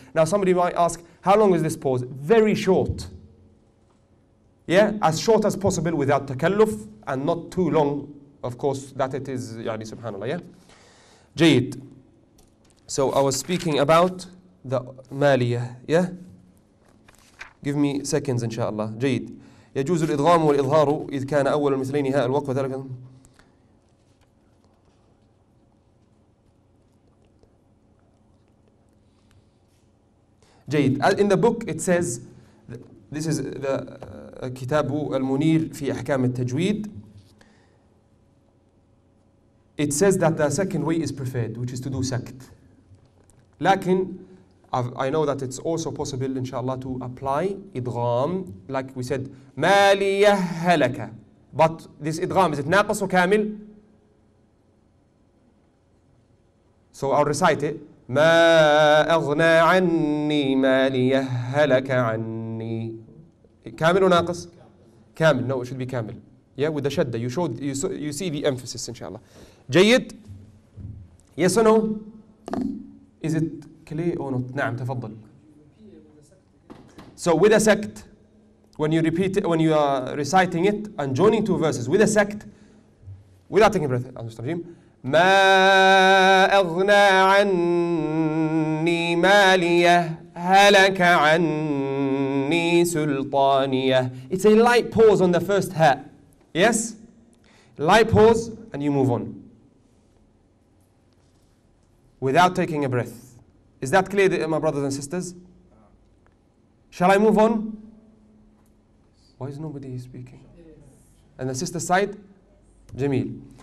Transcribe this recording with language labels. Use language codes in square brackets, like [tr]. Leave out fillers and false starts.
[en] Now somebody might ask, how long is this pause? Very short. Yeah? As short as possible without takalluf, and not too long, of course, that it is, يعني, subhanAllah, yeah? Jayid. So I was speaking about the maliyah, yeah? Give me seconds, inshallah. Jayid. [ar] يجوز الإضغام والإظهار إذ كان أول المثلين هاء الوقف وذلك. جيد. [en] In the book it says, this is the كتاب المنير في أحكام التجويد. It says that the second way is preferred, which is to do sakt. لكن I know that it's also possible, inshallah, to apply idgham, like we said, maliyahalaka. But this idgham, is it naqas or kamil? So I'll recite it. [ar] ما أغنى عني ماليه هلك عني. كامل أو ناقص؟ كامل. [en] No, it should be كامل. Yeah, with the shadda. You see the emphasis, inshallah. جيد. Yes or no? Is it clear or not? [ar] نعم تفضل. [en] So with a sect, when you repeat it, when you are reciting it and joining two verses with a sect, without taking a breath, understand? [ar] ما أغنى عني مالية هلك عني سلطانية. [en] It's a light pause on the first ha. Yes? Light pause and you move on. Without taking a breath. Is that clear, my brothers and sisters? Shall I move on? Why is nobody speaking? And the sister side? Jameel.